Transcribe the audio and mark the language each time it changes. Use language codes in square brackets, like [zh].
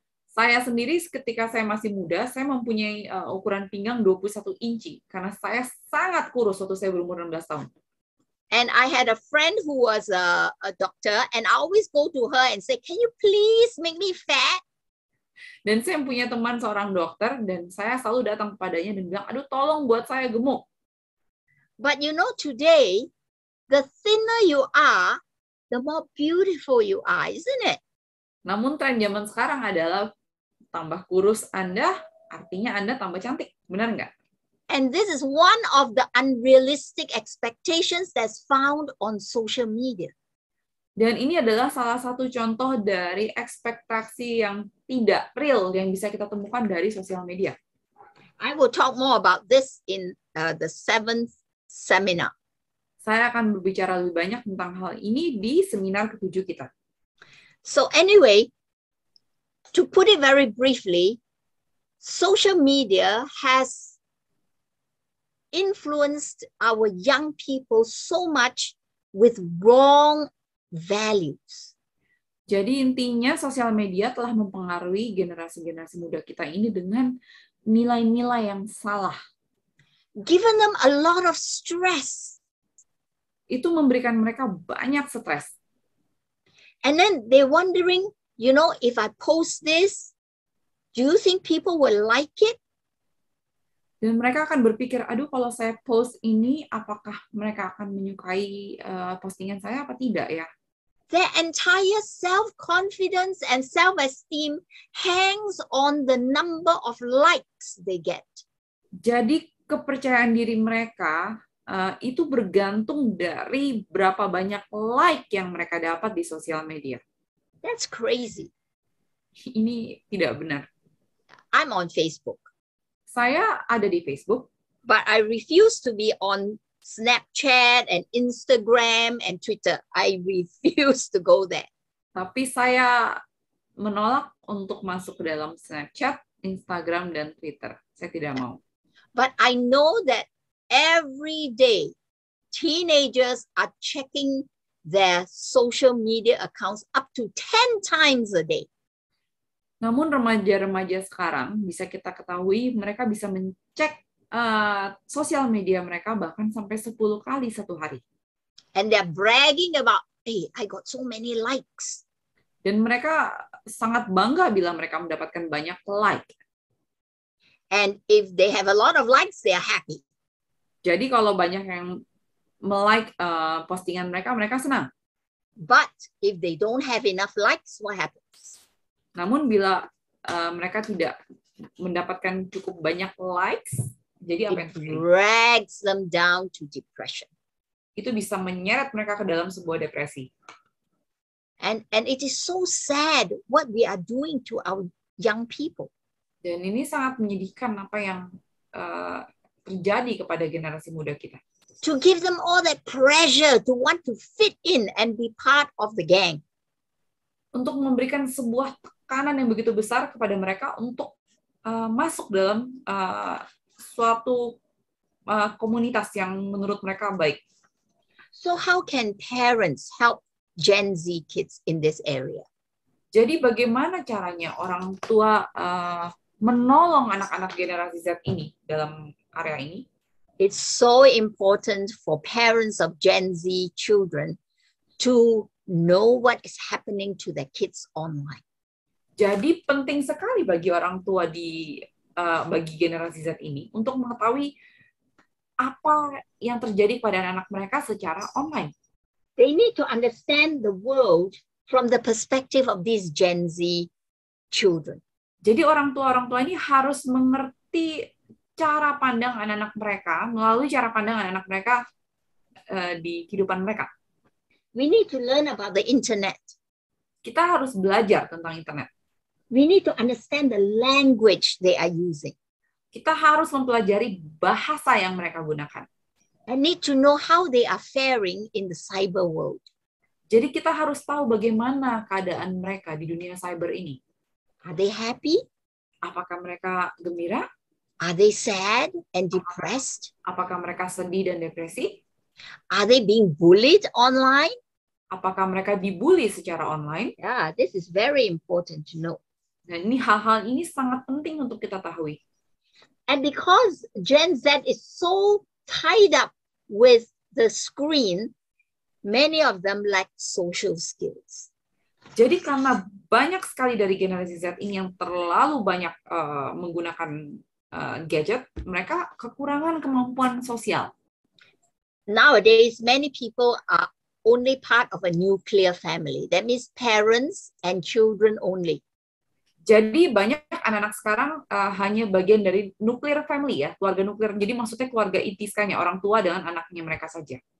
[id] Saya sendiri ketika saya masih muda, saya mempunyai ukuran pinggang 21 inci karena saya sangat kurus waktu saya berumur 16 tahun. [en] And I had a friend who was a doctor, and I always go to her and say, "Can you please make me fat?" [id] Dan saya punya teman seorang dokter, dan saya selalu datang kepadanya dan bilang, "Aduh, tolong buat saya gemuk." [en] But you know, today, the thinner you are, the more beautiful you are, isn't it? [id] Namun tren zaman sekarang adalah tambah kurus Anda, artinya Anda tambah cantik, benar nggak? [en] And this is one of the unrealistic expectations that's found on social media. [id] Dan ini adalah salah satu contoh dari ekspektasi yang tidak real yang bisa kita temukan dari sosial media. [en] I will talk more about this in the seventh seminar. [id] Saya akan berbicara lebih banyak tentang hal ini di seminar ketujuh kita. [en] So anyway, to put it very briefly, social media has influenced our young people so much with wrong values. [id] Jadi intinya sosial media telah mempengaruhi generasi-generasi muda kita ini dengan nilai-nilai yang salah. [en] Given them a lot of stress. [id] Itu memberikan mereka banyak stres. [en] And then they wondering, you know, if I post this, do you think people will like it? [id] Dan mereka akan berpikir, aduh kalau saya post ini, apakah mereka akan menyukai postingan saya apa tidak ya? [en] Their entire self-confidence and self-esteem hangs on the number of likes they get. [id] Jadi kepercayaan diri mereka itu bergantung dari berapa banyak like yang mereka dapat di sosial media. [en] That's crazy. [id] Ini tidak benar. [en] I'm on Facebook. [id] Saya ada di Facebook. [en] But I refuse to be on Snapchat and Instagram and Twitter. I refuse to go there. [id] Tapi saya menolak untuk masuk ke dalam Snapchat, Instagram, dan Twitter. Saya tidak mau. [en] But I know that every day teenagers are checking their social media accounts up to 10 times a day. [id] Namun remaja-remaja sekarang bisa kita ketahui mereka bisa mencek sosial media mereka bahkan sampai 10 kali satu hari. [en] And they're bragging about, hey, I got so many likes. [id] Dan mereka sangat bangga bila mereka mendapatkan banyak like. [en] And if they have a lot of likes, they are happy. [id] Jadi kalau banyak yang me-like postingan mereka, mereka senang. [en] But if they don't have enough likes, what happens? [id] Namun bila mereka tidak mendapatkan cukup banyak likes, jadi apa yang terjadi? [en] It drags them down to depression. [id] Itu bisa menyeret mereka ke dalam sebuah depresi. [en] And it is so sad what we are doing to our young people. [id] Dan ini sangat menyedihkan apa yang terjadi kepada generasi muda kita. [en] To give them all that pressure to want to fit in and be part of the gang. [id] Untuk memberikan sebuah tekanan yang begitu besar kepada mereka untuk masuk dalam suatu komunitas yang menurut mereka baik. [en] So how can parents help Gen Z kids in this area? [id] Jadi bagaimana caranya orang tua menolong anak-anak generasi Z ini dalam area ini? [en] It's so important for parents of Gen Z children to know what is happening to their kids online. [id] Jadi penting sekali bagi orang tua di bagi generasi Z ini untuk mengetahui apa yang terjadi pada anak-anak mereka secara online. [en] They need to understand the world from the perspective of these Gen Z children. [id] Jadi orang tua ini harus mengerti cara pandang anak-anak mereka melalui cara pandang anak-anak mereka di kehidupan mereka. [en] We need to learn about the internet. [id] Kita harus belajar tentang internet. [en] We need to understand the language they are using. [id] Kita harus mempelajari bahasa yang mereka gunakan. [en] We need to know how they are faring in the cyber world. [id] Jadi kita harus tahu bagaimana keadaan mereka di dunia cyber ini. [en] Are they happy? [id] Apakah mereka gembira? [en] Are they sad and depressed? [id] Apakah mereka sedih dan depresi? [en] Are they being bullied online? [id] Apakah mereka dibully secara online? [en] Yeah, this is very important to know. [id] Nah, ini hal-hal ini sangat penting untuk kita tahui. [en] And because Gen Z is so tied up with the screen, many of them lack social skills. [id] Jadi karena banyak sekali dari generasi Z ini yang terlalu banyak menggunakan gadget, mereka kekurangan kemampuan sosial. [en] Nowadays, many people are only part of a nuclear family. That means parents and children only. [id] Jadi banyak anak-anak sekarang hanya bagian dari nuclear family ya, keluarga nuklir. Jadi maksudnya keluarga inti sekarang ya, orang tua dengan anaknya mereka saja.